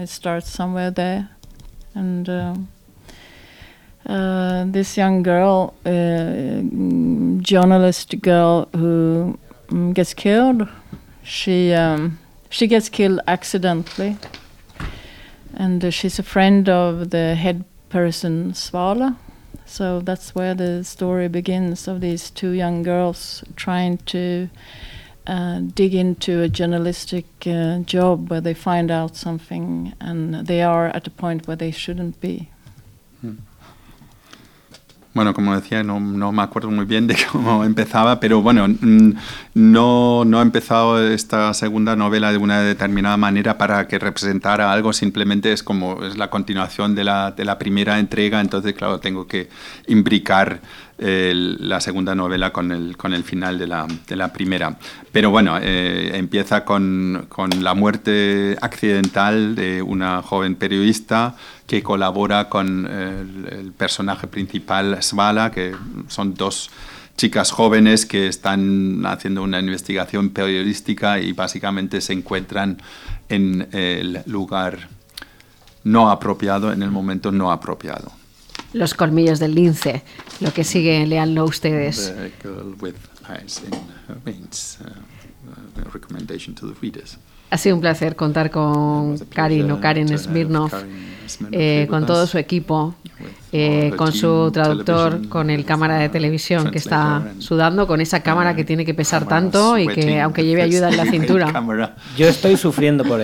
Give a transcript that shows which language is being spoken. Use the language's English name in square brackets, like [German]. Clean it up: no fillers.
[English] It starts somewhere there, and this young girl, journalist girl, who gets killed, she gets killed accidentally, and she's a friend of the head person Svala. So that's where the story begins, of these two young girls trying to dig into a journalistic job where they find out something and they are at a point where they shouldn't be. [Spanish] Bueno, como decía, no me acuerdo muy bien de cómo empezaba, pero bueno, no he empezado esta segunda novela de una determinada manera para que representara algo, simplemente es como es la continuación de la primera entrega, entonces claro, tengo que imbricar la segunda novela con el final de la primera. Pero bueno, empieza con la muerte accidental de una joven periodista que colabora con el personaje principal, Svala, que son dos chicas jóvenes que están haciendo una investigación periodística y básicamente se encuentran en el lugar no apropiado, en el momento no apropiado. Los colmillos del lince, lo que sigue, leanlo ustedes. [English] The girl with eyes in her veins, recommendation to the readers. [Spanish] Ha sido un placer contar con Karin Smirnoff, con todo su equipo, con su traductor, con el cámara de televisión que está sudando, con esa cámara que tiene que pesar tanto y que aunque lleve ayuda en la cintura. Yo estoy sufriendo por él.